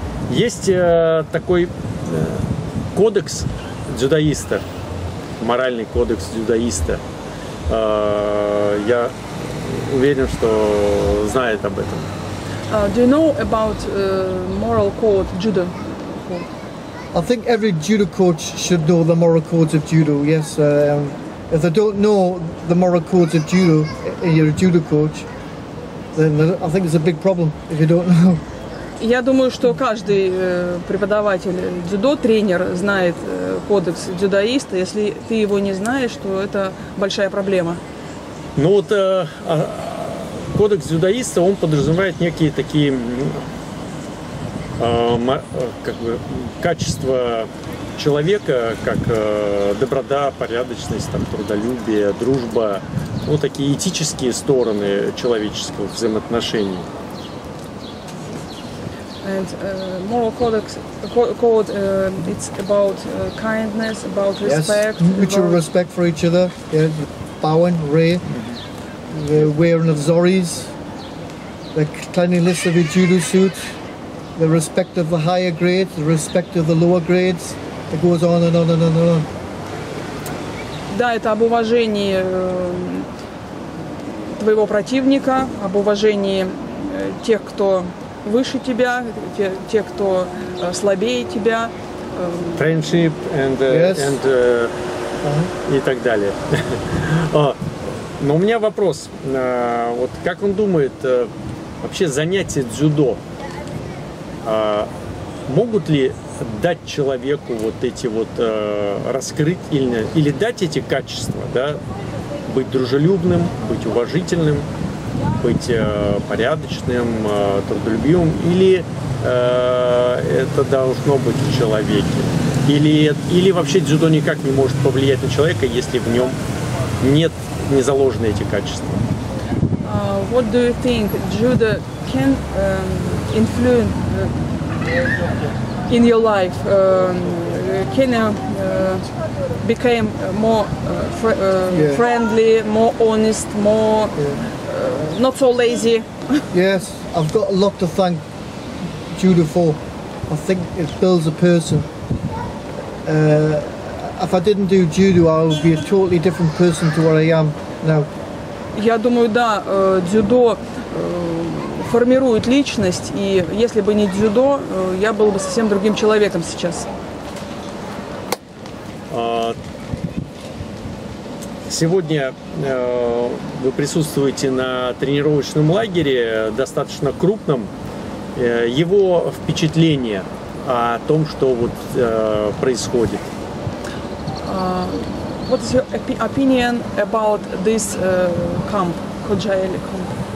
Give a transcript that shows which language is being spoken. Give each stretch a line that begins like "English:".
Russian: Есть такой кодекс дзюдоиста, моральный кодекс дзюдоиста. Я уверен, что знает об этом.
English: Do you know about moral code judo? I think every judo coach should know the moral codes of judo. Yes. If they don't know the moral codes of judo, you're a judo coach, then I think it's a big problem if you don't know.
Russian: Я думаю, что каждый преподаватель дзюдо, тренер, знает кодекс дзюдоиста. Если ты его не знаешь, то это большая проблема. Ну вот кодекс дзюдоиста, он подразумевает некие такие как бы, качества человека, как доброта, порядочность, там, трудолюбие, дружба. Вот такие этические стороны человеческого взаимоотношений.
English: And moral code it's about kindness, about respect. Yes, mutual respect for each other. Yeah, bowing, rei, the wearing of zoris, the cleanliness of your judo suit, the respect of the higher grades, the respect of the lower grades. It goes on and on and on and on.
Russian: Да, это об уважении твоего противника, об уважении тех, кто выше тебя, те, кто слабее тебя.
English: Friendship and, yes. And uh-huh.
Russian: И так далее. Но у меня вопрос. Вот как он думает, вообще занятия дзюдо могут ли дать человеку вот эти вот раскрыть или дать эти качества, да? Быть дружелюбным, быть уважительным, быть порядочным, трудолюбивым, или это должно быть в человеке, или вообще дзюдо никак не может повлиять на человека, если в нем нет не заложены эти качества.
English: What do you think, judo can influence in your life? Can you become more friendly, more honest, more not so lazy? Yes, I've got a lot to thank judo for. I think it builds a person. If I didn't do judo, I would be a totally different person to where I am now.
Russian: Я думаю, да, дзюдо формирует личность, и если бы не дзюдо, я был бы совсем другим человеком сейчас. Сегодня вы присутствуете на тренировочном лагере, достаточно крупном. Его впечатление о том, что вот происходит?
English: What is your opinion about this camp, Khojaeli camp?